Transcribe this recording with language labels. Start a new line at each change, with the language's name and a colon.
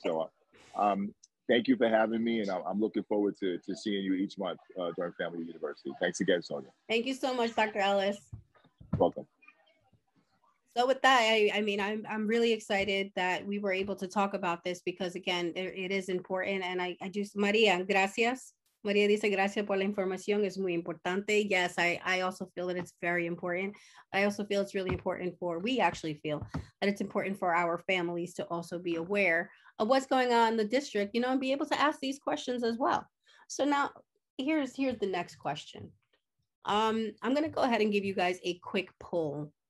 English: So thank you for having me. And I'm looking forward to seeing you each month during Family University. Thanks again, Sonia. Thank you so much, Dr. Ellis. Welcome. So with that, I'm really excited that we were able to talk about this because, again, it is important. And I just, Maria,
Spanish: gracias. Maria dice, gracias por la información, es muy importante.
English: Yes, I also feel that it's very important. I also feel it's really important we actually feel that it's important for our families to also be aware of what's going on in the district, you know, and be able to ask these questions as well. So now here's the next question. I'm going to go ahead and give you guys a quick poll.